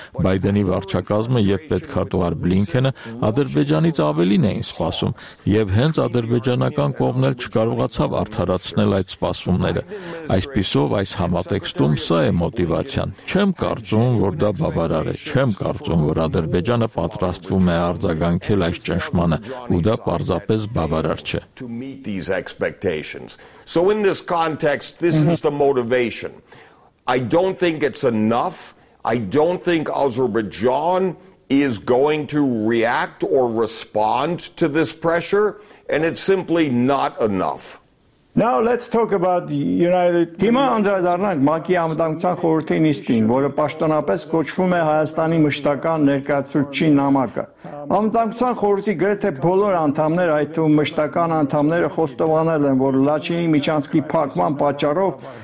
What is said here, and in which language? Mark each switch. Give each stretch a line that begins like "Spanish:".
Armenian: Բայդենի վարչակազմը եւ պետքարտուղար Բլինքենը Ադրբեջանից ավելին էին սպասում, եւ հենց ադրբեջանական կողմն էլ չկարողացավ արդարացնել այդ սպասումները։ Այսպիսով այս համատեքստում սա է մոտիվացիան։ Չեմ կարծում, որ դա բավարար է, չեմ կարծում, որ Ադրբեջանը պատրաստվում է արձագանքել այս ճնշմանը, ու դա պարզապես բավարար չէ։
English: So in this context, this is the motivation. I don't think it's enough. I don't think Azerbaijan is going to react or respond to this pressure, and it's simply not enough. Now let's talk about United
Armenian: Հիմա անդրադառնանք ՄԱԿ-ի ամենատարածված խորհրդի նիստին, որը պաշտոնապես կոչվում է Հայաստանի մշտական ներկայացուցիչ նամակը։ Ամենատարածված խորհրդի գրեթե բոլոր անդամները, այդու մշտական անդամները խոստովանել են, որ Լաչինի միջանցքի փակման պատճառով